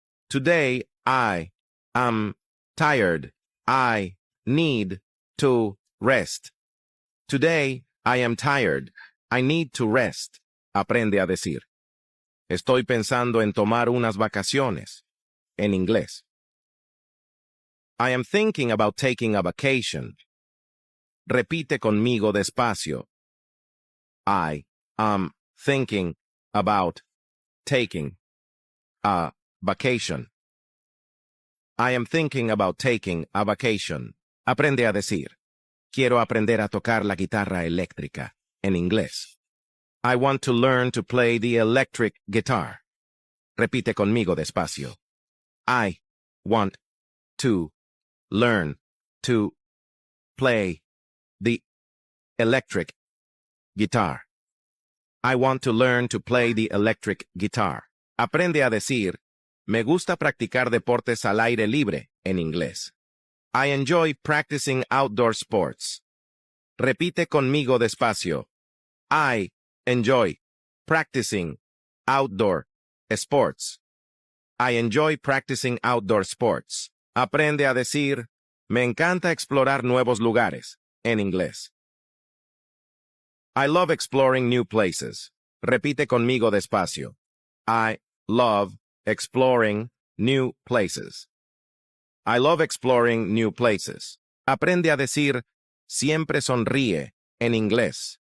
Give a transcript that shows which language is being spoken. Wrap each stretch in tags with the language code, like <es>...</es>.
<en>Today, I am tired. I need to rest. Today, I am tired. I need to rest.</en> <es>Aprende a decir. Estoy pensando en tomar unas vacaciones. En inglés.</es> <en>I am thinking about taking a vacation.</en> <es>Repite conmigo despacio.</es> <en>I am thinking about taking a vacation. I am thinking about taking a vacation.</en> <es>Aprende a decir. Quiero aprender a tocar la guitarra eléctrica en inglés.</es> <en>I want to learn to play the electric guitar.</en> <es>Repite conmigo despacio.</es> <en>I want to learn to play the electric guitar. I want to learn to play the electric guitar.</en> <es>Aprende a decir, me gusta practicar deportes al aire libre en inglés.</es> <en>I enjoy practicing outdoor sports.</en> <es>Repite conmigo despacio.</es> <en>I enjoy practicing outdoor sports. I enjoy practicing outdoor sports.</en> <es>Aprende a decir, me encanta explorar nuevos lugares en inglés.</es> <en>I love exploring new places.</en> <es>Repite conmigo despacio.</es> <en>I love exploring new places. I love exploring new places.</en> <es>Aprende a decir, siempre sonríe en inglés.</es>